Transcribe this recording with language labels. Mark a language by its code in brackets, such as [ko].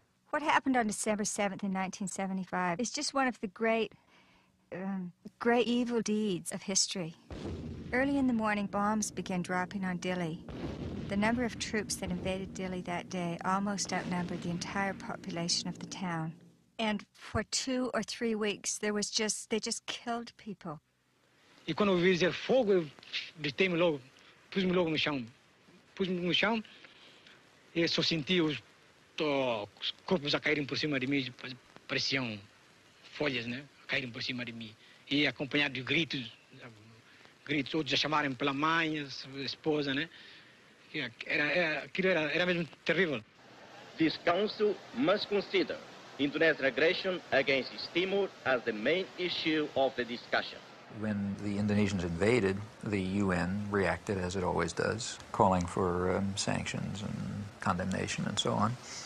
[en] What happened on December 7th in 1975 is just one of the great, great evil deeds of history. Early in the morning, bombs began dropping on Dili. The number of troops that invaded Dili that day almost outnumbered the entire population of the town. And for 2 or 3 weeks, there was just, they just killed people. [pt] E quando eu vi dizer fogo, eu deitei-me logo, pus-me logo no chão. Pus-me no chão e só senti os corpos a caírem por cima de mim, pareciam folhas, né? A caírem por cima de mim. E acompanhado de gritos, outros a chamarem pela mãe, a esposa, né? Era mesmo terrível. [en] This council must consider Indonesia's aggression against East Timor as the main issue of the discussion. When the Indonesians invaded, the UN reacted as it always does, calling for sanctions and condemnation and so on.